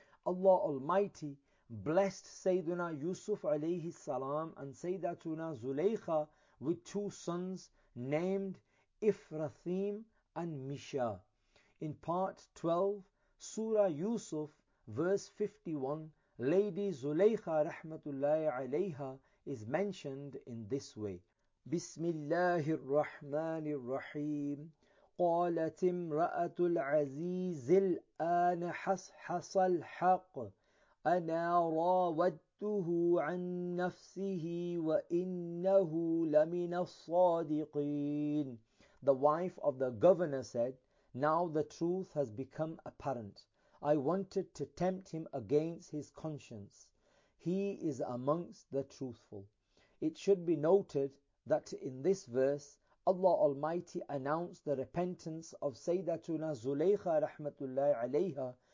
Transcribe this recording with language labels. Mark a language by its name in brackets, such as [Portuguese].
[English] Allah Almighty blessed Sayyiduna Yusuf alayhi salam and Sayyidatuna Zulaykha with two sons named Ifrathim and Misha. In part 12, Surah Yusuf, verse 51, Lady Zulaykha rahmatullahi alayha is mentioned in this way. [Arabic] بسم الله الرحمن الرحيم قالت امرأة العزيز الآن حصحص الحق أنا راودته عن نفسه وإنه لمن الصادقين. [English] The wife of the governor said, "Now the truth has become apparent. I wanted to tempt him against his conscience. He is amongst the truthful." It should be noted that in this verse, Allah Almighty announced the repentance of Sayyidatuna Zulaykha rahmatullahi alayha.